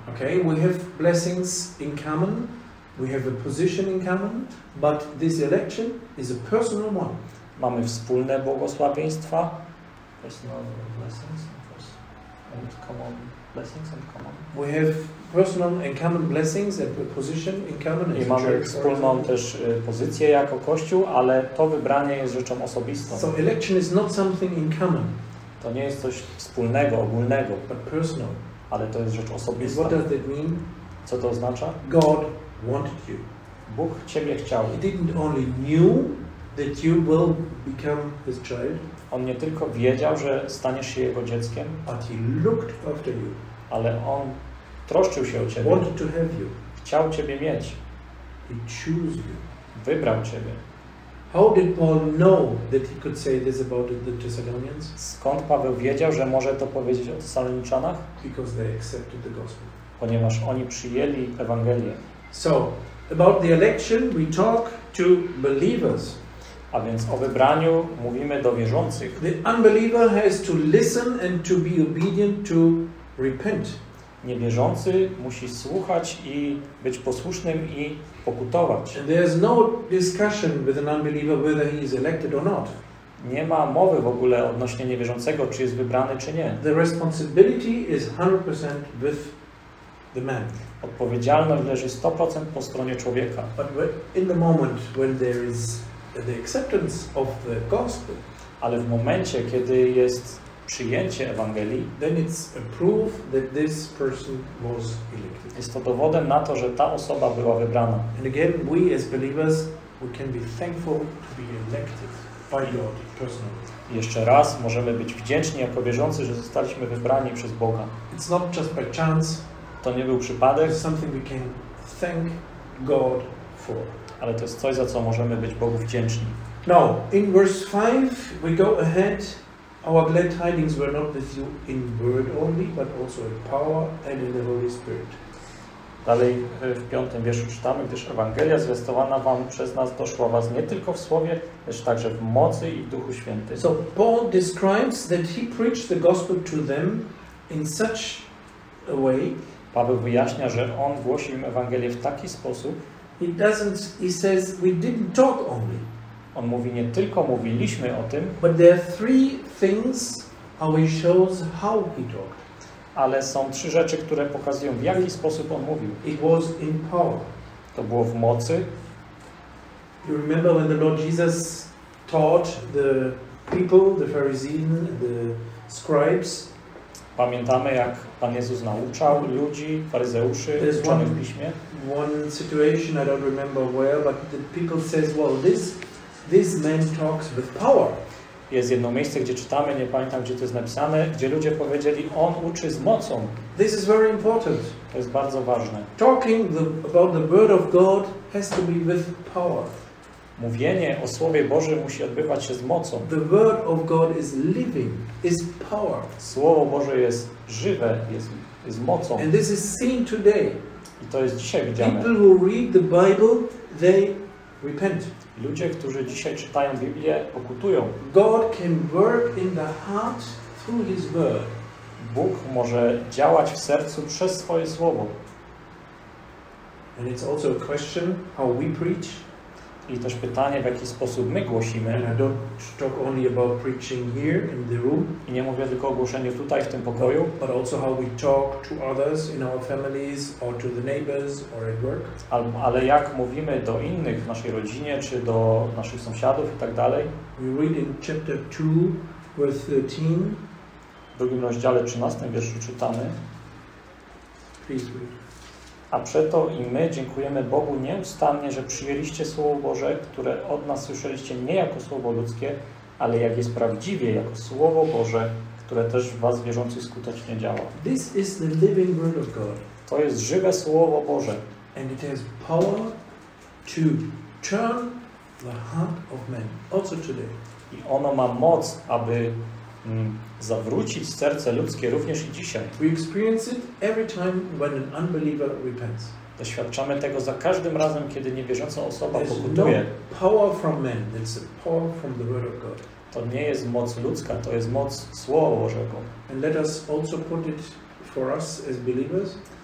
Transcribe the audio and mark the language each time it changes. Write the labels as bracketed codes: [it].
[en] Okay, we have blessings in common, we have a position in common, but this election is a personal one. [pl] Mamy wspólne błogosławieństwa. [en] Personal blessings and common blessings and common. We have personal and common blessings and a position in common. [pl] I mamy wspólną też pozycję jako Kościół, ale to wybranie jest rzeczą osobistą. [en] So election is not something in common. [pl] To nie jest coś wspólnego, ogólnego. [en] But personal. [pl] Ale to jest rzecz osobista. [en] What does that mean? [pl] Co to oznacza? [en] God wanted you. [pl] Bóg ciebie chciał. [en] He didn't only knew that you will become his child. [pl] On nie tylko wiedział, że staniesz się jego dzieckiem. [en] But he looked after you. [pl] Ale on troszczył się o ciebie. [en] Wanted to have you. [pl] Chciał ciebie mieć. [en] He chose you. [pl] Wybrał ciebie. [en] How did Paul know that he could say this about the Thessalonians? [pl] Skąd Paweł wiedział, że może to powiedzieć o Thessaloniczanach? [en] Because they accepted the gospel. [pl] Ponieważ oni przyjęli Ewangelię. [en] So, about the election we talk to believers. [pl] A więc o wybraniu mówimy do wierzących. [en] The unbeliever has to listen and to be obedient to repent. [pl] Niewierzący musi słuchać i być posłusznym i pokutować. [en] And there is no discussion with an unbeliever whether he is elected or not. [pl] Nie ma mowy w ogóle odnośnie niewierzącego, czy jest wybrany, czy nie. [en] The responsibility is 100% with the man. [pl] Odpowiedzialność leży 100% po stronie człowieka. [en] But in the moment when there is the acceptance of the gospel, [pl] ale w momencie, kiedy jest przyjęcie Ewangelii, [en] then it's a proof that this person was elected. [pl] Jest to dowodem na to, że ta osoba była wybrana. [en] And again, we as believers, we can be thankful to be elected by God personally. [pl] Jeszcze raz możemy być wdzięczni jako wierzący, że zostaliśmy wybrani przez Boga. [en] It's not just by chance. [pl] To nie był przypadek. [en] It's something we can thank God for. [pl] Ale to jest coś, za co możemy być Bogu wdzięczni. [en] Now, in verse 5, we go ahead. Our glad tidings were not with you in word only, but also in power and in the Holy Spirit. [pl] Dalej w piątym wierszu czytamy, gdyż Ewangelia zwiastowana wam przez nas doszła was nie tylko w słowie, lecz także w mocy i w Duchu Świętym. [en] So Paul describes that he preached the gospel to them in such a way. [pl] Paweł wyjaśnia, że on głosił im Ewangelię w taki sposób. [en] He says we didn't talk only. [pl] On mówi, nie tylko mówiliśmy o tym, [en] but there are three things how he shows how he talked. [pl] Ale są trzy rzeczy, które pokazują, w jaki sposób on mówił. [en] It was in power. [pl] To było w mocy. [en] You remember when the Lord Jesus taught the people, the Pharisees, the scribes? [pl] Pamiętamy, jak Pan Jezus nauczał ludzi, faryzeuszy, uczonych w piśmie. [en] One situation I don't remember where, but the people says, well, this man talks with power. [pl] Jest jedno miejsce, gdzie czytamy, nie pamiętam, gdzie to jest napisane, gdzie ludzie powiedzieli, on uczy z mocą. [en] This is very important. [pl] To jest bardzo ważne. [en] Talking about the word of God has to be with power. [pl] Mówienie o Słowie Bożym musi odbywać się z mocą. [en] The word of God is living, is power. [pl] Słowo Boże jest żywe, jest mocą. [en] And this is seen today. [pl] I to jest dzisiaj widziane. [en] People who read the Bible, they repent. [pl] Ludzie, którzy dzisiaj czytają Biblię, pokutują. [en] God can work in the heart through His word. [pl] Bóg może działać w sercu przez swoje słowo. [en] And it's also a question how we preach. [pl] I też pytanie, w jaki sposób my głosimy. [en] And I don't talk only about preaching here in the room. [pl] I nie mówię tylko o głoszeniu tutaj w tym pokoju. [en] But also how we talk to others in our families or to the neighbors or at work. [pl] Ale jak mówimy do innych w naszej rodzinie czy do naszych sąsiadów i tak dalej. [en] We read in chapter 2, verse 13. [pl] W drugim rozdziale 13 wierszu czytamy. [en] Please read. [pl] A przeto i my dziękujemy Bogu nieustannie, że przyjęliście Słowo Boże, które od nas słyszeliście nie jako Słowo ludzkie, ale jak jest prawdziwie, jako Słowo Boże, które też w was wierzących skutecznie działa. [en] This is the living word of God. [pl] To jest żywe Słowo Boże. [en] And it has power to turn the heart of men. Also today. [pl] I ono ma moc, aby zawrócić serce ludzkie również i dzisiaj. [en] We experience it every time when an unbeliever repents. [pl] Doświadczamy tego za każdym razem, kiedy niewierząca osoba pokutuje. [en] No power from men, it's a power from the word of God. [pl] To nie jest moc ludzka, to jest moc Słowa Bożego. [en] And let us also put it for us as believers.